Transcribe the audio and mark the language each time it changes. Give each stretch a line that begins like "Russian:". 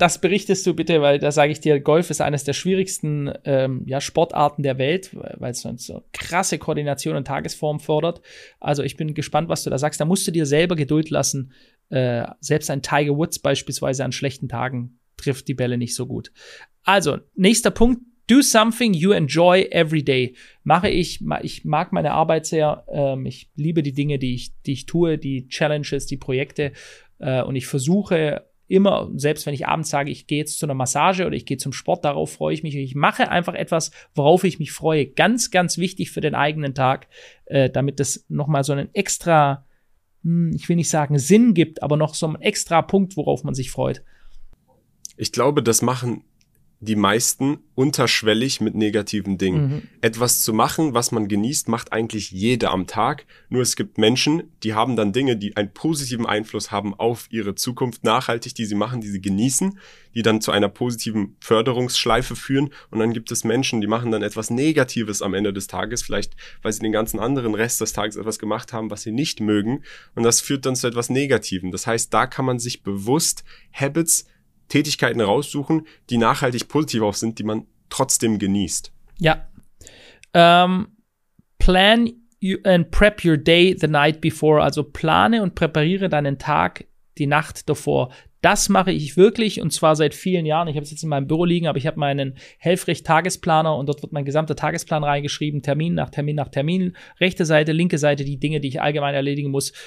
German: Das berichtest du bitte, weil da sage ich dir, Golf ist eines der schwierigsten Sportarten der Welt, weil es so krasse Koordination und Tagesform fordert. Also ich bin gespannt, was du da sagst. Da musst du dir selber Geduld lassen. Selbst ein Tiger Woods beispielsweise an schlechten Tagen trifft die Bälle nicht so gut. Also, nächster Punkt.
English: Do something you enjoy every day.
German: Mache ich, ich mag meine Arbeit sehr. Ich liebe die Dinge, die ich tue, die Challenges, die Projekte. Und ich versuche immer, selbst wenn ich abends sage, ich gehe jetzt zu einer Massage oder ich gehe zum Sport, darauf freue ich mich. Ich mache einfach etwas, worauf ich mich freue. Ganz, ganz wichtig für den eigenen Tag, damit das nochmal so einen extra, ich will nicht sagen Sinn gibt, aber noch so einen extra Punkt, worauf man sich freut. Ich glaube, das machen die meisten unterschwellig mit negativen Dingen. Mhm. Etwas zu machen, was man genießt, macht eigentlich jeder am Tag. Nur es gibt Menschen, die haben dann Dinge, die einen positiven Einfluss haben auf ihre Zukunft nachhaltig, die sie machen, die sie genießen, die dann zu einer positiven Förderungsschleife führen. Und dann gibt es Menschen, die machen dann etwas Negatives am Ende des Tages, vielleicht weil sie den ganzen anderen Rest des Tages etwas gemacht haben, was sie nicht mögen. Und das führt dann zu etwas Negativem. Das heißt, da kann man sich bewusst Habits, Tätigkeiten raussuchen, die nachhaltig positiv auch sind, die man trotzdem genießt. Ja.
English: Plan and prep your day the night before.
German: Also plane und präpariere deinen Tag die Nacht davor. Das mache ich wirklich und zwar seit vielen Jahren. Ich habe es jetzt in meinem Büro liegen, aber ich habe meinen Helfrich-Tagesplaner und dort wird mein gesamter Tagesplan reingeschrieben. Termin nach Termin nach Termin. Rechte Seite, linke Seite, die Dinge, die ich allgemein erledigen muss.